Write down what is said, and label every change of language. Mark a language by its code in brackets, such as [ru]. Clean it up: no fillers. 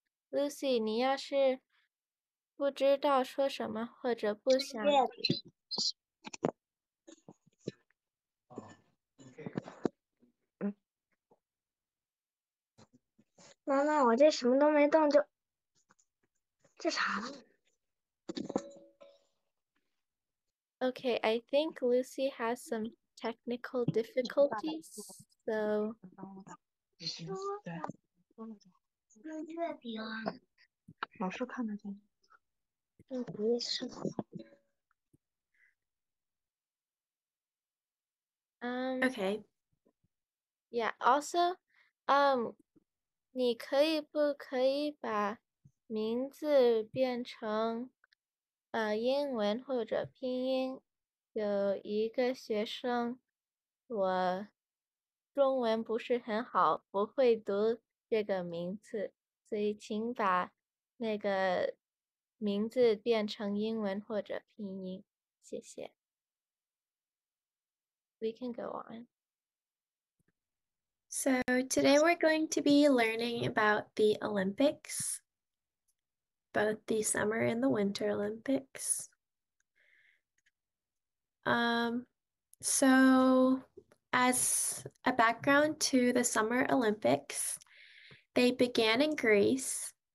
[zh] Lucy, 你要是不知道说什么或者不想，妈妈，我这什么都没动就，这啥 [en] ？Okay, I think Lucy has some technical difficulties, so. [zh] 月饼，老师看得见。嗯， [en] OK. Yeah. Also, [zh] 你可以不可以把名字变成英文或者拼音？有一个学生，我中文不是很好，不会读这个名字，所以请把那个名字变成英文或者拼音，谢谢。 [en] We can go on. So today we're going to be learning about the Olympics, both the Summer and the Winter Olympics. So as a background to the Summer Olympics, they began in Greece.